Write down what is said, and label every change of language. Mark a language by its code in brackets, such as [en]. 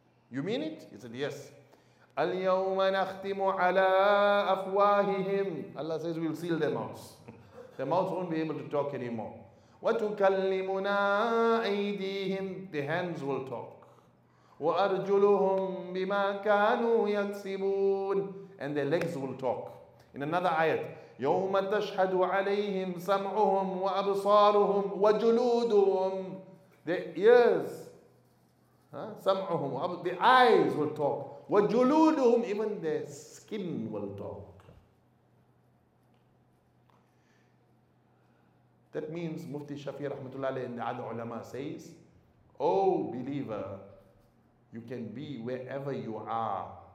[en] You mean it? He said, yes. [ar] الْيَوْمَ نَخْتِمُ عَلَىٰ أَفْوَاهِهِمْ. [en] Allah says, we'll seal their mouths. Their mouths won't be able to talk anymore. [ar] وَتُكَلِّمُنَا أَيْدِيهِمْ. [en] Their hands will talk. [ar] وَأَرْجُلُهُمْ بِمَا كَانُوا يَكْسِبُونَ. [en] And their legs will talk. In another ayat, [ar] يَوْمَ تَشْهَدُ عَلَيْهِمْ سَمْعُهُمْ وَأَبْصَارُهُمْ وَجُلُودُهُمْ. [en] Their ears, سَمْعُهُمْ, the eyes will talk. [ar] وَجُلُودُهُمْ, [en] even their skin will talk. That means Mufti Shafi Rahmatullah Alayhi in the other ulama says, oh believer, you can be wherever you are.